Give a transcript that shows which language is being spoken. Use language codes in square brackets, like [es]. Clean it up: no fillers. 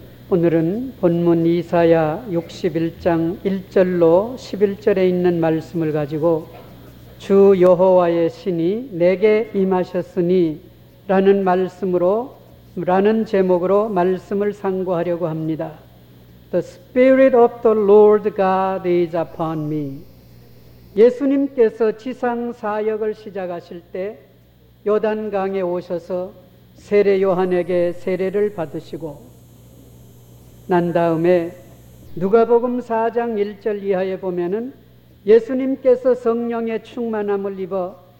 [ko] 오늘은 본문 이사야 61장 1절로 11절에 있는 말씀을 가지고 주 여호와의 신이 내게 임하셨으니 라는 제목으로 말씀을 상고하려고 합니다. [en] The Spirit of the Lord God is upon me. [ko] 예수님께서 지상 사역을 시작하실 때 요단강에 오셔서 세례 요한에게 세례를 받으시고 난 다음에 누가복음 4장 1절 이하에 보면은 예수님께서 성령의 충만함을 입어